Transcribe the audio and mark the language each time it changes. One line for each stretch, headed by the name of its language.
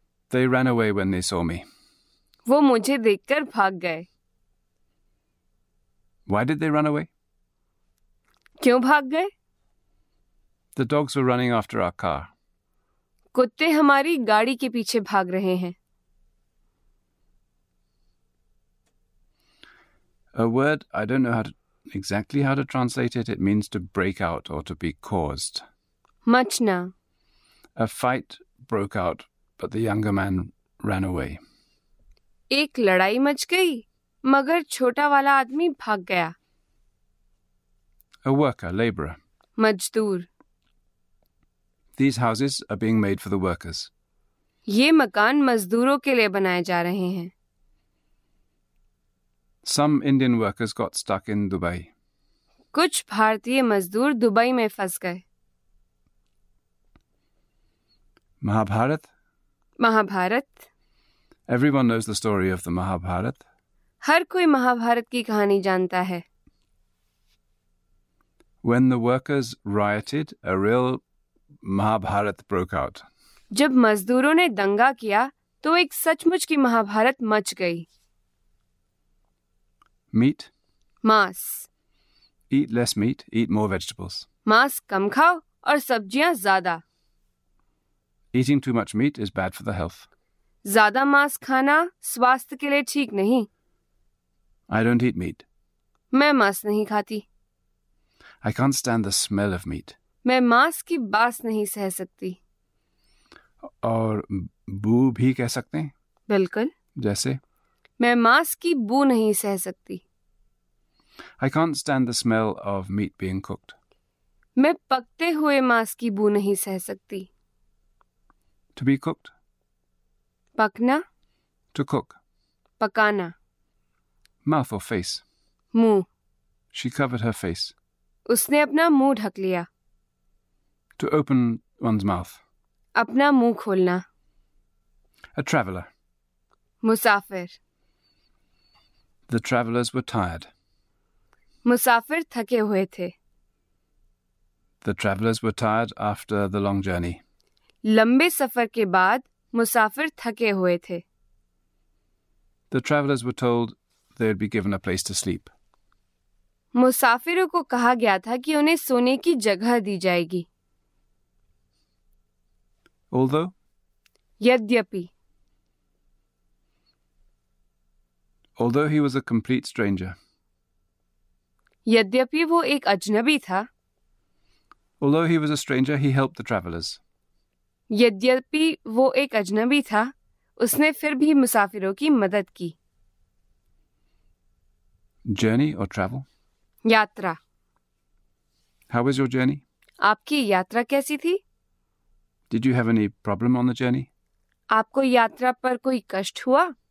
English: They ran away when they saw me.
Hindi: वो मुझे देखकर भाग गए.
English: Why did they run away?
Hindi: क्यों भाग गए?
English: The dogs were running after our car.
Hindi: कुत्ते हमारी गाड़ी के पीछे भाग रहे हैं.
English: A word, I don't know how to translate it. It means to break out or to be caused.
Hindi: Machna.
English: A fight broke out, but the younger man ran away.
Hindi: एक लड़ाई मच गई, मगर छोटा वाला आदमी भाग गया.
English: A worker, laborer.
Hindi: मजदूर.
English: These houses are being made for the workers.
Hindi: ये मकान मजदूरों के लिए बनाए जा रहे हैं.
English: Some Indian workers got stuck in Dubai.
Hindi: कुछ भारतीय मजदूर दुबई में फंस गए.
English: Mahabharat.
Hindi: Mahabharat.
English: Everyone knows the story of the Mahabharat.
Hindi: हर कोई महाभारत की कहानी जानता है.
English: When the workers rioted, a real Mahabharat broke out.
Hindi: जब मजदूरों ने दंगा किया, तो एक सचमुच की महाभारत मच गई.
English: Meat.
Hindi: मांस.
English: Eat less meat. Eat more vegetables.
Hindi: मांस कम खाओ और सब्जियां ज्यादा.
English: Eating too much meat is bad for the health.
Hindi: ज्यादा मांस खाना स्वास्थ्य के लिए ठीक नहीं.
English: I don't eat meat.
Hindi: मैं मांस नहीं खाती.
English: I can't stand the smell of meat.
Hindi: मैं मांस की बास नहीं सह सकती. और बू भी कह सकते हैं? बिल्कुल. जैसे? मैं मांस की बू नहीं सह सकती.
English: I can't stand the smell of meat being cooked.
Hindi: मैं पकते हुए मांस की बू नहीं सह सकती.
English: To be cooked.
Hindi: पकना.
English: To cook.
Hindi: पकाना.
English: Mouth or face.
Hindi: मुंह.
English: She covered her face.
Hindi: उसने अपना मुंह ढक लिया.
English: To open one's mouth.
Hindi: अपना मुंह खोलना.
English: A traveler.
Hindi: Musafir.
English: The travelers were tired.
Hindi: मुसाफिर थके हुए थे.
English: The travelers were tired after the long journey.
Hindi: लंबे सफर के बाद मुसाफिर थके हुए थे.
English: The travelers were told they'd be given a place to sleep.
Hindi: मुसाफिरों को कहा गया था कि उन्हें सोने की जगह दी जाएगी.
English: Although?
Hindi: यद्यपि.
English: Although he was a complete stranger.
Hindi: यद्यपि वो एक अजनबी था.
English: Although he was a stranger, he helped the travelers.
Hindi: यद्यपि वो एक अजनबी था, उसने फिर भी मुसाफिरों की मदद की.
English: Journey or travel?
Hindi: यात्रा.
English: How was your journey?
Hindi: आपकी यात्रा कैसी थी?
English: Did you have any problem on the journey?
Hindi: आपको यात्रा पर कोई कष्ट हुआ?